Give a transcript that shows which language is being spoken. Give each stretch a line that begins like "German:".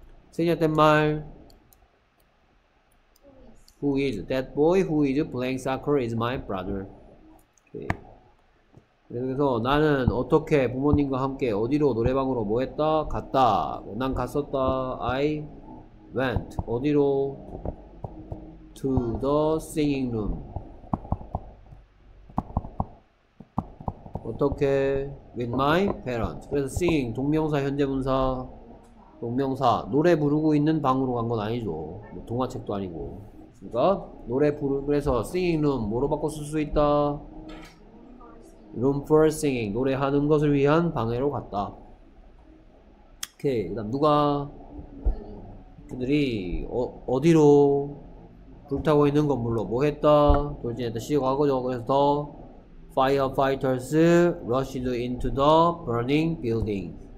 Korean: 생일 때 말
English: who is that boy who is playing soccer is my brother. Okay.
Korean: 그래서 나는 어떻게 부모님과 함께 어디로 노래방으로 뭐 했다? 갔다. 난 갔었다.
English: I went
Korean: 어디로?
English: to the singing room.
Korean: 어떻게?
English: with my parents.
Korean: 그래서 singing 동명사 현재분사 동명사 노래 부르고 있는 방으로 간 건 아니죠. 뭐 동화책도 아니고. 그러니까 노래 부르 그래서 singing room 뭐로 바꿔 쓸 수 있다?
English: room for singing
Korean: 노래하는 것을 위한 방으로 갔다. 오케이. 그다음 누가 그들이 어디로 불타고 있는 건물로 뭐 했다? 돌진했다. 시 과거죠. 그래서
English: the firefighters rushed into the burning building.